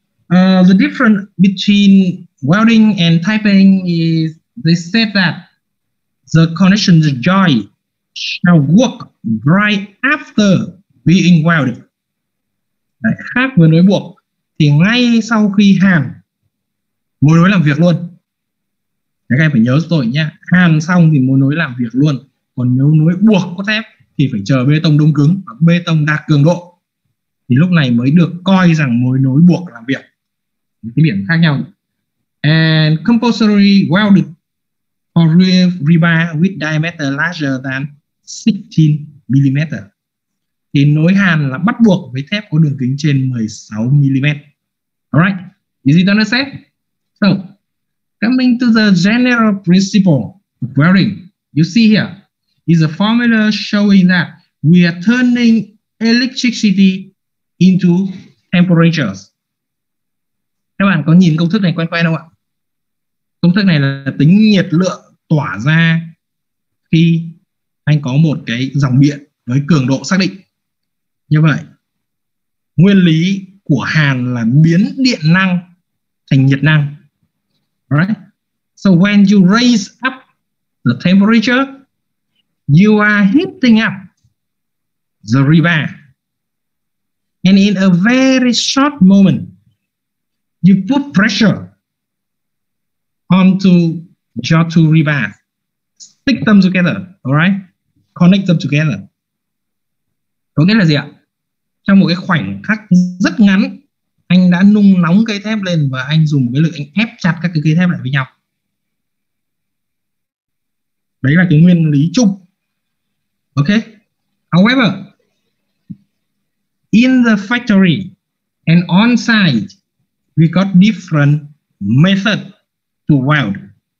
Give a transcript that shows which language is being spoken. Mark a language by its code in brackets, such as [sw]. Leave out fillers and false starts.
[en] The difference between welding and typing is they said that the connection joint shall work right after being welded. [vi] Đấy, khác với nối buộc thì ngay sau khi hàn, mối nối làm việc luôn. Các em phải nhớ giúp tôi nhé, hàn xong thì mối nối làm việc luôn, còn nếu nối buộc cốt thép thì phải chờ bê tông đông cứng hoặc bê tông đạt cường độ thì lúc này mới được coi rằng mối nối buộc làm việc. Cái điểm khác nhau. [en] And compulsory welded for rebar with diameter larger than 16 mm, [vi] thì nối hàn là bắt buộc với thép có đường kính trên 16 mm. [en] Alright, is it understood? So coming to the general principle of welding, you see here is a formula showing that we are turning electricity into temperatures. [vi] Các bạn có nhìn công thức này quen quen không ạ? Công thức này là tính nhiệt lượng tỏa ra khi anh có một cái dòng điện với cường độ xác định. Như vậy, nguyên lý của hàn là biến điện năng thành nhiệt năng. [en] Right. So when you raise up the temperature, you are heating up the rebar. And in a very short moment, you put pressure onto your two rebars. Stick them together, alright? Connect them together. [vi] Có nghĩa là gì ạ? Trong một cái khoảnh khắc rất ngắn, anh đã nung nóng cây thép lên và anh dùng một cái lực anh ép chặt các cái cây thép lại với nhau. Đấy là cái nguyên lý chung. [en] Ok. However, in the factory and on site, we got different method to weld.